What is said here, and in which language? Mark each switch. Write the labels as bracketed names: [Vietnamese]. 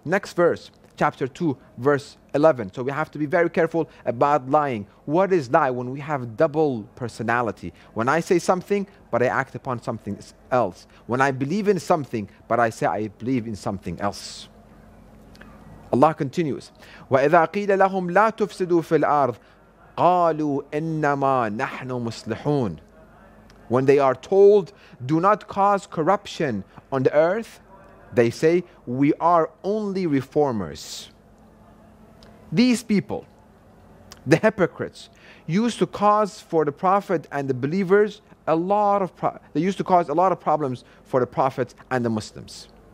[English] Next verse, chapter 2, verse 11. So we have to be very careful about lying. What is lie when we have double personality? When I say something, but I act upon something else. When I believe in something, but I say I believe in something else. Allah continues, [Arabic] وَإِذَا قِيلَ لَهُمْ لَا تُفْسِدُوا فِي الْأَرْضِ قَالُوا إِنَّمَا نَحْنُ مُسْلِحُونَ. [English] When they are told, do not cause corruption on the earth, they say, we are only reformers. These people, the hypocrites, used to cause for the Prophet and the believers a lot of problems for the Prophet and the Muslims.